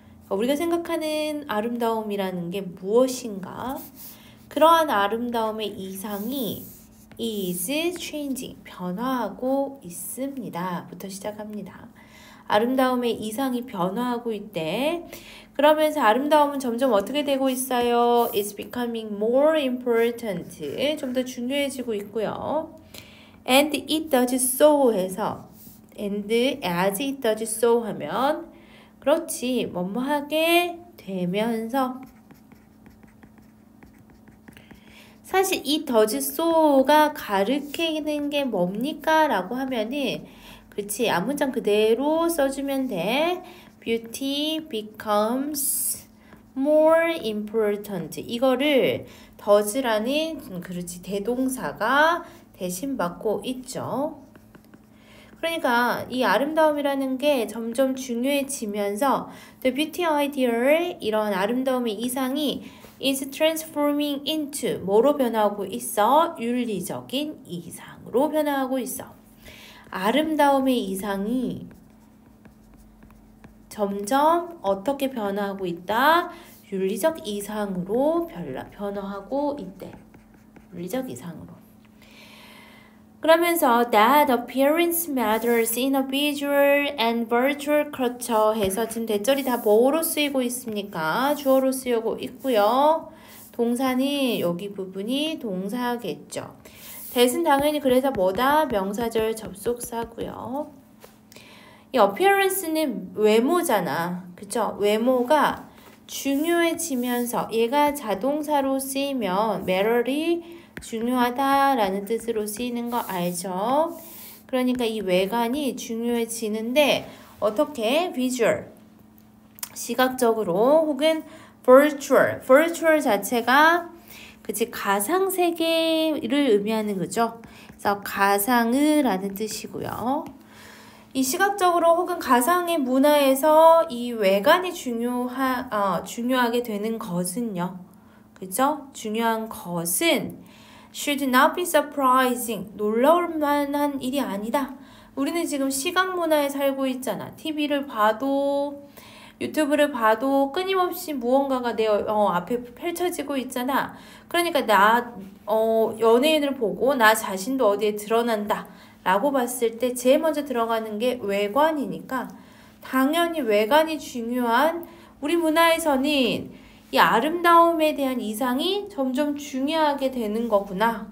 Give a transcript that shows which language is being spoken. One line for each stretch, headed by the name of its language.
Korean: 우리가 생각하는 아름다움이라는 게 무엇인가? 그러한 아름다움의 이상이
English: is changing,
Korean: 변화하고 있습니다.부터 시작합니다. 아름다움의 이상이 변화하고 있대. 그러면서 아름다움은 점점 어떻게 되고 있어요?
English: It's becoming more important.
Korean: 좀더 중요해지고 있고요.
English: And it does so
Korean: 해서
English: and as it does so
Korean: 하면 그렇지, 뭐뭐하게 되면서 사실 이 does so가 가르치는 게 뭡니까? 라고 하면은 그렇지, 앞문장 그대로 써주면 돼.
English: Beauty becomes more important.
Korean: 이거를 does라는 그렇지 대동사가 대신 맡고 있죠. 그러니까 이 아름다움이라는 게 점점 중요해지면서
English: the beauty idea
Korean: 의 이런 아름다움의 이상이
English: is transforming into
Korean: 뭐로 변하고 있어? 윤리적인 이상으로 변화하고 있어. 아름다움의 이상이 점점 어떻게 변화하고 있다? 윤리적 이상으로 변화하고 있대. 윤리적 이상으로.
English: 그러면서 that appearance matters in a visual and virtual culture
Korean: 해서 지금 대절이 다 뭐로 쓰이고 있습니까? 주어로 쓰이고 있고요. 동사니 여기 부분이 동사겠죠. 대신 당연히 그래서 뭐다? 명사절 접속사고요. 이 appearance는 외모잖아. 그쵸? 외모가 중요해지면서 얘가 자동사로 쓰이면 matter이 중요하다라는 뜻으로 쓰이는 거 알죠? 그러니까 이 외관이 중요해지는데 어떻게? visual 시각적으로 혹은 virtual. virtual 자체가 그치, 가상세계를 의미하는 거죠. 그래서 가상의라는 뜻이고요. 이 시각적으로 혹은 가상의 문화에서 이 외관이 중요하게 되는 것은요. 그죠? 중요한 것은
English: should not be surprising.
Korean: 놀라울 만한 일이 아니다. 우리는 지금 시각문화에 살고 있잖아. TV를 봐도 유튜브를 봐도 끊임없이 무언가가 내 앞에 펼쳐지고 있잖아. 그러니까 연예인을 보고 나 자신도 어디에 드러난다라고 봤을 때 제일 먼저 들어가는 게 외관이니까 당연히 외관이 중요한 우리 문화에서는 이 아름다움에 대한 이상이 점점 중요하게 되는 거구나.